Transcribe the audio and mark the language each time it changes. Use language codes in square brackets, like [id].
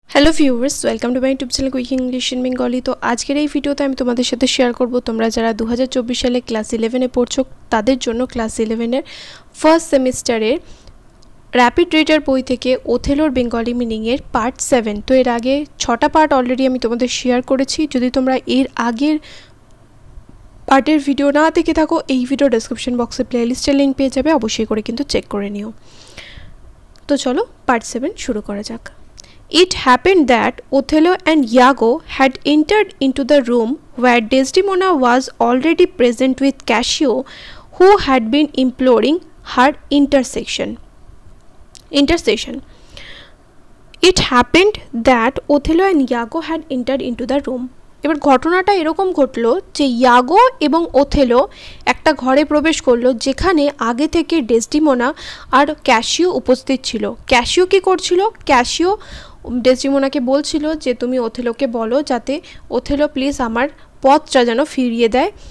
[en] Hello viewers, welcome to my YouTube channel quick English in Bengali. [bn] তো আজকের এই ভিডিওতে আমি তোমাদের সাথে শেয়ার করব, তোমরা যারা 2024 সালে ক্লাস ইলেভেনে পড়ছো তাদের জন্য ক্লাস ইলেভেনের ফার্স্ট সেমিস্টারের র্যাপিড রিডার বই থেকে ওথেলোর বেঙ্গলি মিনিংয়ের পার্ট 7। তো এর আগে 6টা পার্ট অলরেডি আমি তোমাদের শেয়ার করেছি। যদি তোমরা এর আগের পার্টের ভিডিও না দেখে থাকো, এই ভিডিও ডিসক্রিপশন বক্সে প্লেলিস্টের লিঙ্ক পেয়ে যাবে, অবশ্যই করে কিন্তু চেক করে নিও। তো চলো পার্ট 7 শুরু করা যাক। [en] It happened that Othello and Iago had entered into the room where Desdemona was already present with Cassio, who had been imploring her intercession. It happened that Othello and Iago had entered into the room. [bn] এবার ঘটনাটা এরকম ঘটলো যে ইয়াগো এবং Othello একটা ঘরে প্রবেশ করলো যেখানে আগে থেকে ডেসডিমোনা আর ক্যাসিও উপস্থিত ছিল। ক্যাসিও কী করছিল? ক্যাসিও ডেসডিমোনাকে বলছিল যে তুমি ওথেলোকে বলো যাতে ওথেলো প্লিজ আমার পথটা যেন ফিরিয়ে দেয়।